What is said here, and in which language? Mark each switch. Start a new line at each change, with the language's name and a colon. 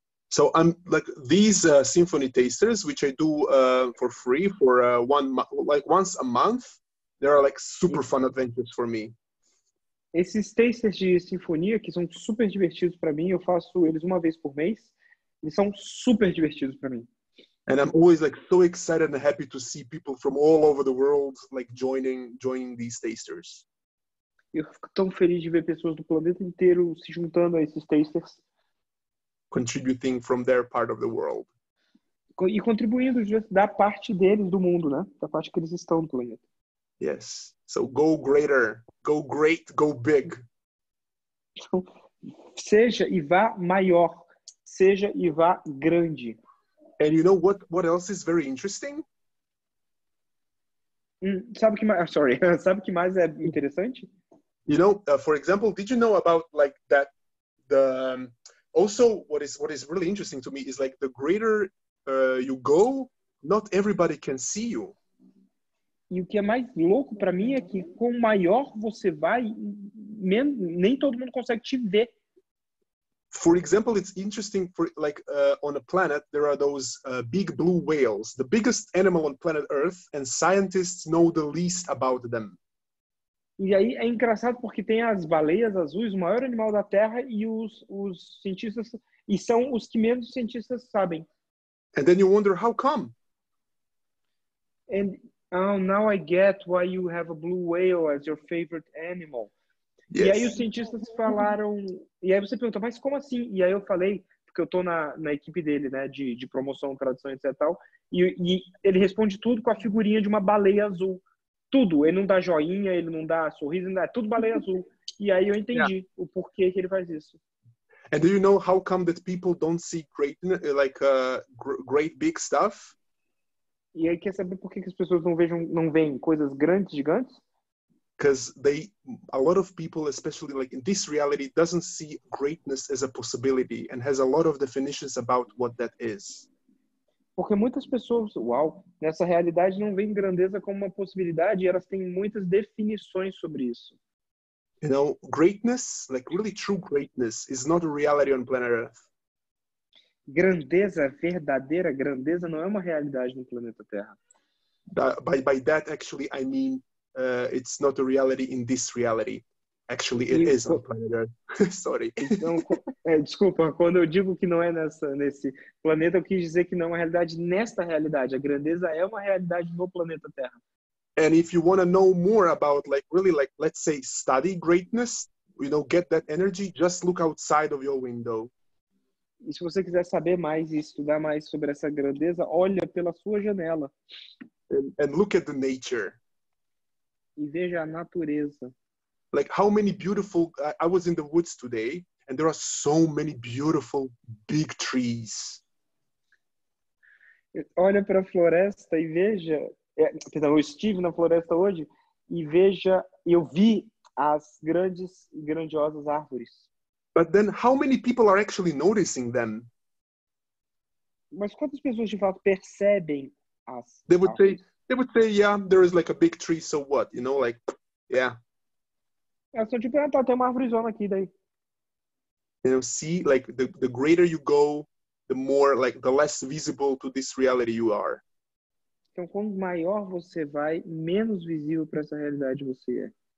English: So I'm like these symphony tasters, which I do for free for one like once a month. There are like super fun adventures for me.
Portuguese: Esses tasters de sinfonia, que são super divertidos para mim, eu faço eles uma vez por mês, eles são super divertidos para mim.
English: And I'm always like so excited and happy to see people from all over the world like joining these tasters.
Portuguese: Eu fico tão feliz de ver pessoas do planeta inteiro se juntando a esses tasters.
English: Contributing from their part of the world.
Portuguese: E contribuindo da parte deles do mundo, né? Da parte que eles estão no planeta.
English: Yes. So go greater, go great, go big.
Portuguese: Seja e vá maior. Seja e vá grande.
English: And you know what else is very interesting?
Portuguese: Sabe que mais, sorry. Sabe que mais é interessante?
English: You know, for example, did you know about like that the also what is really interesting to me is like the greater you go, not everybody can see you.
Portuguese: E o que é mais louco para mim é que com maior você vai, nem todo mundo consegue te ver.
English: For example, it's interesting for like on a planet there are those big blue whales, the biggest animal on planet Earth, and scientists know the least about them.
Portuguese: E aí é engraçado porque tem as baleias azuis, o maior animal da Terra, e os cientistas, e são os que menos cientistas sabem.
English: And then you wonder how come? And now I get why you have a blue whale as your favorite animal. Yes.
Portuguese: E aí os cientistas falaram, e aí você pergunta, mas como assim? E aí eu falei, porque eu tô na equipe dele, né, de promoção, tradução, etc. Tal, e ele responde tudo com a figurinha de uma baleia azul. Tudo. Ele não dá joinha, ele não dá sorriso, é tudo baleia azul. E aí eu entendi o porquê que ele faz isso.
English: And do you know how come that people don't see great, like, great big stuff?
Portuguese: E aí quer saber por que as pessoas não veem coisas grandes, gigantes?
English: Because a lot of people, especially like in this reality, doesn't see greatness as a possibility and has a lot of definitions about what that is.
Portuguese: Porque muitas pessoas, nessa realidade não veem grandeza como uma possibilidade, elas têm muitas definições sobre isso.
English: You know, greatness, like really true greatness, is not a reality on planet Earth.
Portuguese: Grandeza, verdadeira grandeza, não é uma realidade no planeta Terra.
English: By that, actually, I mean, it's not a reality in this reality. Actually, it is on planet Earth. Sorry.
Portuguese: Então, desculpa, quando eu digo que não é nesse planeta, eu quis dizer que não é uma realidade nesta realidade. A grandeza é uma realidade no planeta Terra.
English: And if you want to know more about, like, really, like, let's say, study greatness, you know, get that energy, just look outside of your window.
Portuguese: E se você quiser saber mais e estudar mais sobre essa grandeza, olha pela sua janela.
English: And look at the nature.
Portuguese: E veja a natureza.
English: Like, how many beautiful... I was in the woods today, and there are so many beautiful big trees.
Portuguese: Olha para a floresta e veja... Perdão, eu estive na floresta hoje e eu vi as grandes e grandiosas árvores. But then, how many people are actually noticing them? Mas quantas pessoas de fato percebem as árvores?
English: They would say, yeah, there is like a big tree, so what? You know, like, yeah.
Portuguese: É só tipo, ah, tá, tem uma árvorezona aqui, daí.
English: You know, see, like, the greater you go, the more, like, the less visible to this reality you are.
Portuguese: Então, quanto maior você vai, menos visível para essa realidade você é.